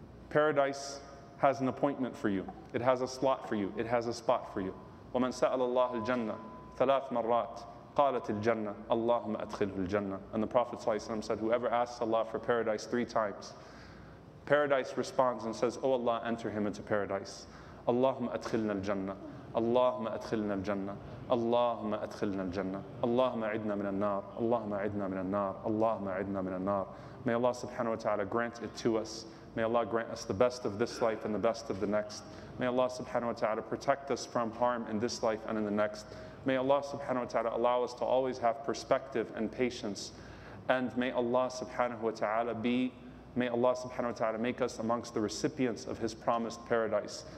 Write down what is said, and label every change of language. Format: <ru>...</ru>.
<en>Paradise has an appointment for you. It has a slot for you. It has a spot for you.</en> <ar>وَمَنْ سَأَلَ اللَّهَ الْجَنَّةِ ثَلَاثْ مَرَّاتِ قَالَتِ الْجَنَّةِ اللَّهُمَّ أَدْخِلْهُ الْجَنَّةِ.</ar> <en>And the Prophet ﷺ said, whoever asks Allah for paradise 3 times, paradise responds and says, oh Allah, enter him into paradise.</en> <ar>اللهم أدخلنا الجنة اللهم أدخلنا الجنة اللهم أدخلنا الجنة اللهم عدنا من النار اللهم عدنا من النار اللهم عدنا من النار.</ar> <en>May Allah subhanahu wa ta'ala grant it to us. May Allah grant us the best of this life and the best of the next. May Allah subhanahu wa ta'ala protect us from harm in this life and in the next. May Allah subhanahu wa ta'ala allow us to always have perspective and patience. And may Allah subhanahu wa ta'ala May Allah subhanahu wa ta'ala make us amongst the recipients of His promised paradise.</en>